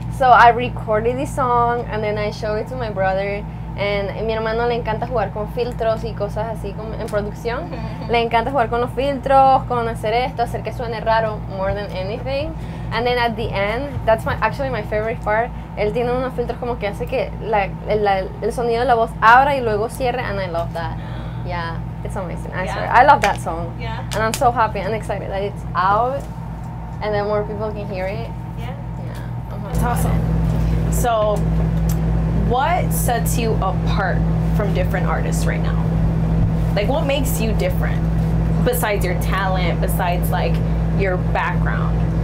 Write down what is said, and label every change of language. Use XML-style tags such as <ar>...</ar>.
<en>So I recorded this song and then I showed it to my brother. And</en> <es>mi hermano le encanta jugar con filtros y cosas así como en producción. Le encanta jugar con los filtros, con hacer esto, hacer que suene raro,</es> <en>more than anything.</en> <es>And then at the end, that's actually my favorite part. Él tiene unos filtros como que hace que el sonido de la voz abra y luego cierre.</es> <en>And I love that. Yeah, it's amazing. I love that song. Yeah. And I'm so happy and excited that it's out and then more people can hear it. Yeah. Yeah. That's awesome. So, what sets you apart from different artists right now? Like, what makes you different besides your talent, besides like your background?</en>